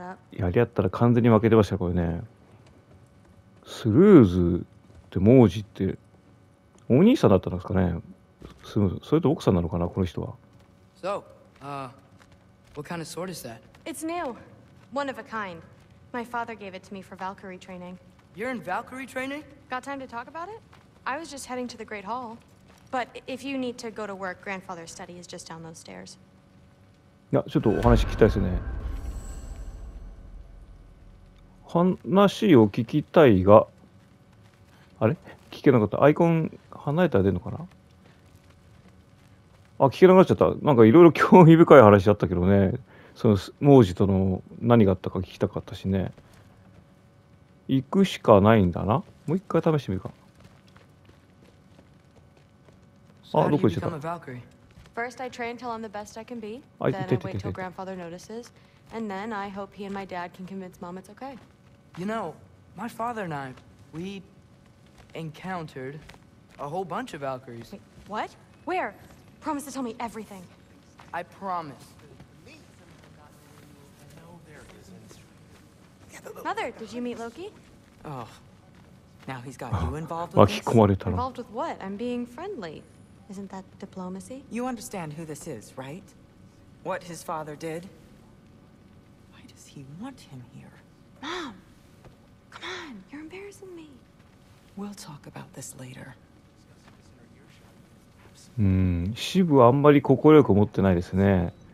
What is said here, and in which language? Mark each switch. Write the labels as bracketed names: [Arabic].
[Japanese] やり合ったら完全に負けてましたこれね。スルーズって文字ってお兄さんだったんですかね。それと奥さんなのかなこの人は。 [English] So, What kind of sword is that? It's new. One of a kind. My father gave it to me for Valkyrie training. You're in Valkyrie training? Got time to talk about it? I was just heading to the Great Hall. But if you need to go to work, grandfather's study is just down those stairs. [Japanese] いや、ちょっとお話聞きたいですね。話を聞きたいが、あれ？聞けなかった。アイコン離れたら出るのかな？あ、聞けなくなっちゃった。なんかいろいろ興味深い話だったけどね。その、王子との何があったか聞きたかったしね。行くしかないんだな。もう一回試してみるか。あ、どこ行っちゃった。 [English] First, I train till I'm the best I can be. Then I wait till grandfather notices. And then I hope he and my dad can convince mom it's okay. You know, my father and I, we encountered a whole bunch of Valkyries. Wait, what? Where? Promise to tell me everything. I promise. Mother, did you meet Loki? Oh, now he's got you involved with this? [Japanese] 巻き込まれたの? [English] Involved with what? I'm being friendly. Isn't that diplomacy? You understand who this is, right? What his father did? Why does he want him here? Mom! Come on! You're embarrassing me! We'll talk about this later. [Japanese] Shib はあんまり心よく持ってないですね。